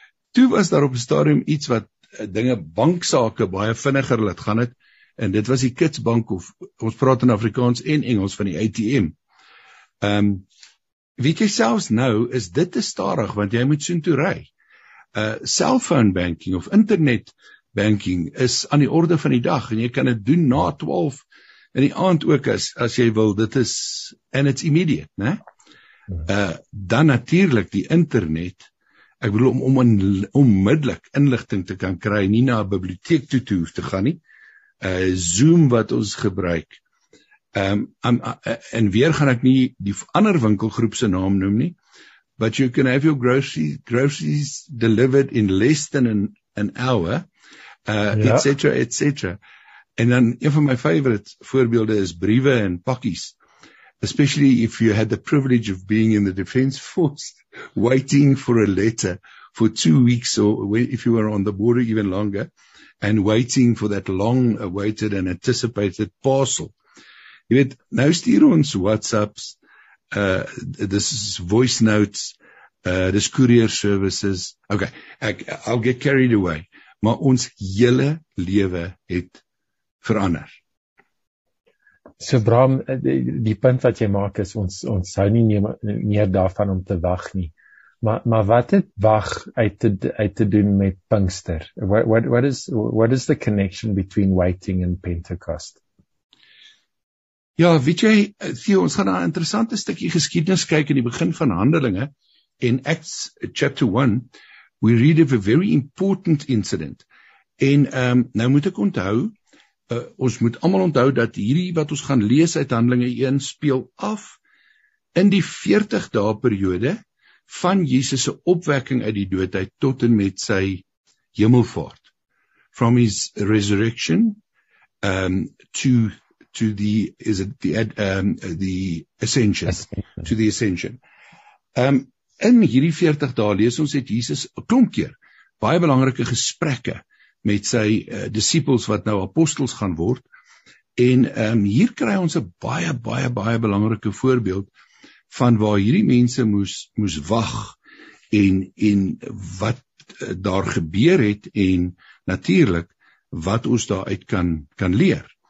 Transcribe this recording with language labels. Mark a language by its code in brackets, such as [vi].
[af] Toe was daar op 'n stadium iets wat dinge banksake baie vinniger laat gaan het, en dit was die kitsbank, of ons praat in Afrikaans en Engels van die ATM. Weet jy, selfs nou is dit te stadig, want jy moet soon toe ry. Cellphone banking of internet banking is aan die orde van die dag, en jy kan dit doen na 12 in die aand ook as jy wil. Dit is, [en] and it's immediate, [af] né? Dan natuurlik die internet, ek bedoel om onmiddellik inligting te kan kry, nie na 'n biblioteek toe te hoef te gaan nie. Zoom wat ons gebruik. En weer gaan ek nie die ander winkelgroep se naam noem nie, [en] but you can have your groceries delivered in less than an hour, et cetera, [af] et cetera. En dan een van my favorite voorbeelde is briewe en pakkies, [en] especially if you had the privilege of being in the defense force, waiting for a letter for 2 weeks, or if you were on the border even longer, and waiting for that long awaited and anticipated parcel. [af] Jy weet, nou stuur ons WhatsApps, dis is voice notes, dis courier services. [en] Okay, I'll get carried away. [af] Maar ons hele lewe het verander. So Bram, die punt wat jy maak is, ons hou nie meer daarvan om te wag nie. Maar wat het wag uit te doen met Pinkster? [en] What is the connection between waiting and Pentecost? [af] Ja, weet jy, Theo, ons gaan na 'n interessante stukkie geskiedenis kyk in die begin van Handelinge, [en] in Acts chapter 1, we read of a very important incident. [af] En nou moet ek onthou, ons moet almal onthou dat hierdie wat ons gaan lees uit Handelinge 1 speel af in die 40 dae periode van Jesus se opwekking uit die doodheid tot en met sy hemelvaart. [en] From his resurrection to the ascension. [af] In hierdie 40 dae lees ons het Jesus 'n klomp keer baie belangrike gesprekke met sy disippels wat nou apostels gaan word, en hier kry ons 'n baie belangrike voorbeeld van waar hierdie mense moes wag en wat daar gebeur het en natuurlik wat ons daar uit kan leer.